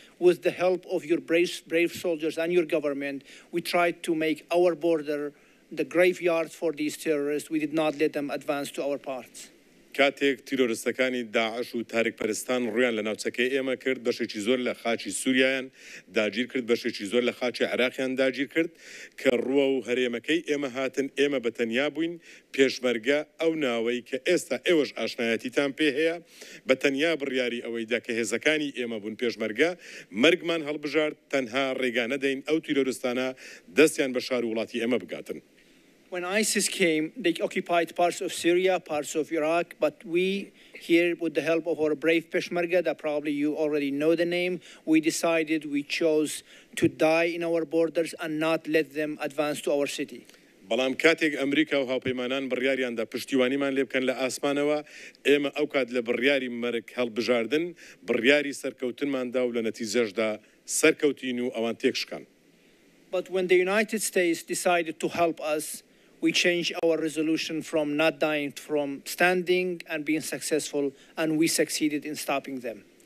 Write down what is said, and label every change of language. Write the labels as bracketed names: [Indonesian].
[English] With the help of your brave soldiers and your government, we tried to make our border the graveyard for these terrorists. We did not let them advance to our parts. [Central Kurdish] کاتێک تیرۆریستەکانی داعش و تاریک پەرستان ڕوویان لە ناوچەکەی ئێمە کرد بەشێکی زۆر لە خاچی سوریایان داگیر کرد بەشێکی زۆر لە خاچی عێراقیان داگیر کرد کە ڕووە و هەرێمەکەی ئێمە هاتن ئێمە بەتەنیا بووین پێشمەرگە ئەو ناوەی کە ئێستا ئێوەش ئاشنایەتیتان پێ هەیە بەتەنیا بڕیاری ئەوەیدا کە هێزەکانی ئێمە بوون پێشمەرگە مەرگمان هەڵبژارد تەنها ڕێگانە دەین ئەو تیرۆریستانە دەستیان بە شار و وڵاتی ئێمە بگاتن [English] When ISIS came, they occupied parts of Syria, parts of Iraq, but we here, with the help of our brave Peshmerga, that probably you already know the name, we chose to die in our borders and not let them advance to our city. [Central Kurdish] بەڵام کاتێک ئەمریکا و هاوپەیمانان بڕیاریاندا پشتیوانیمان لێ بکەن لە ئاسمانەوە ئێمە ئەو کات لە بڕیاری مەرگ هەڵبژاردن بڕیاری سەرکەوتنماندا و لە نەتیجەشدا سەرکەوتین و ئەوان تێکشکان [English] But when the United States decided to help us, we changed our resolution from not dying, from standing and being successful, and we succeeded in stopping them.